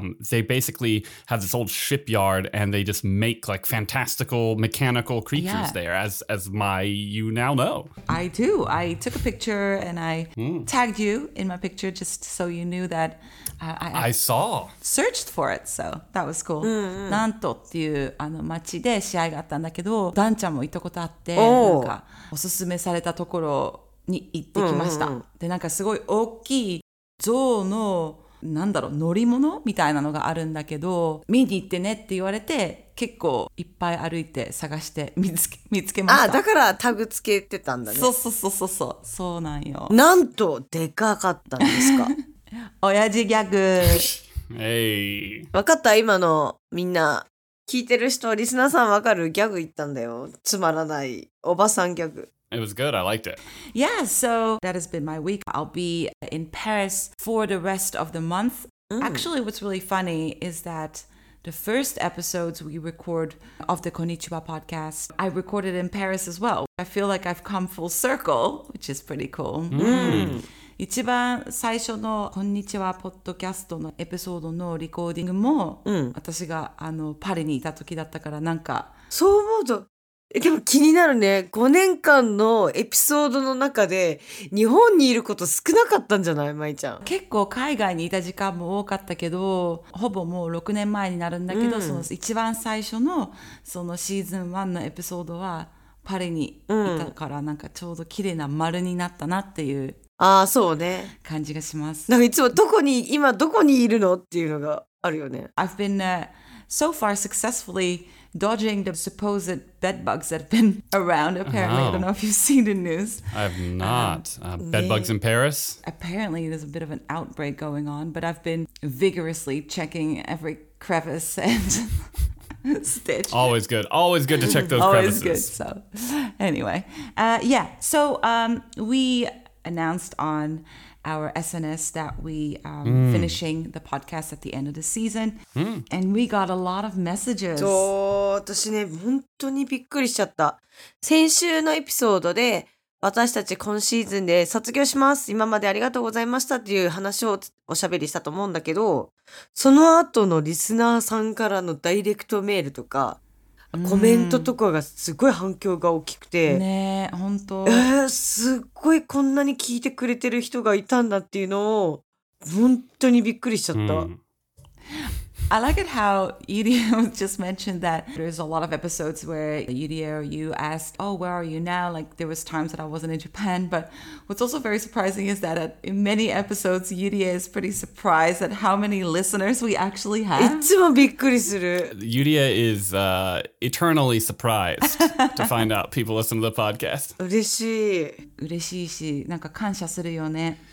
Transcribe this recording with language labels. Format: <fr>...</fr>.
<en>They basically have this old shipyard and they just make like fantastical mechanical creatures there, as my, you now know. I do. I took a picture and I tagged you in my picture just so you knew that I saw. Searched for it, so that was cool.</en> <ja>なんとっていうあの町で試合があったんだけど、ダンちゃんも行ったことあって、なんかおすすめされたところに行ってきました。で、なんかすごい大きい象のなんだろう乗り物みたいなのがあるんだけど見に行ってねって言われて結構いっぱい歩いて探して見つけました。あ、だからタグつけてたんだね。そうそうなんよ。なんとでかかったんですか。親父ギャグ。わかった今のみんな聞いてる人リスナーさんわかるギャグ言ったんだよつまらないおばさんギャグ。</ja> <en>It was good. I liked it. Yeah, so that has been my week. I'll be in Paris for the rest of the month. Actually, what's really funny is that the first episodes we record of the Konnichiwa podcast, I recorded in Paris as well. I feel like I've come full circle, which is pretty cool. Mm.</en> <ja>一番最初のこんにちはポッドキャストのエピソードのリコーディングも、私があのパリにいた時だったからなんか。そう思うと。でも気になるね。 5年間のエピソードの中で日本にいること少なかったんじゃない？舞ちゃん。結構海外にいた時間も多かったけど、ほぼもう6年前になるんだけど、その一番最初のそのシーズン1のエピソードはパリにいたから、なんかちょうど綺麗な丸になったなっていう。ああ、そうね。感じがします。なんかいつもどこに、今どこにいるのっていうのがあるよね。</ja> <en>I've been so far successfully dodging the supposed bed bugs that have been around, apparently. Oh. I don't know if you've seen the news. I have not. Bed bugs in Paris? Apparently, there's a bit of an outbreak going on, but I've been vigorously checking every crevice and stitch. Always good. Always good to check those always crevices. Always good. So, anyway. Yeah. So, we announced on our SNS that we are finishing the podcast at the end of the season. And we got a lot of messages.</en> <ja>そう、私ね、本当にびっくりしちゃった。先週のエピソードで、私たち今シーズンで卒業します。今までありがとうございましたっていう話をおしゃべりしたと思うんだけど、その後のリスナーさんからのダイレクトメールとか、コメントとかがすごい反響が大きくて、ねえ、本当、すっごいこんなに聞いてくれてる人がいたんだっていうのを本当にびっくりしちゃった。</ja> <en>I like it how Yuria just mentioned that there's a lot of episodes where Yuria or you asked, oh, where are you now? Like, there was times that I wasn't in Japan. But what's also very surprising is that in many episodes, Yuria is pretty surprised at how many listeners we actually have.</en> <ja>いつもびっくりする。</ja> <en>Yuria is eternally surprised to find out people listen to the podcast.</en> <ja>嬉しい。嬉しいし、なんか感謝するよね。</ja>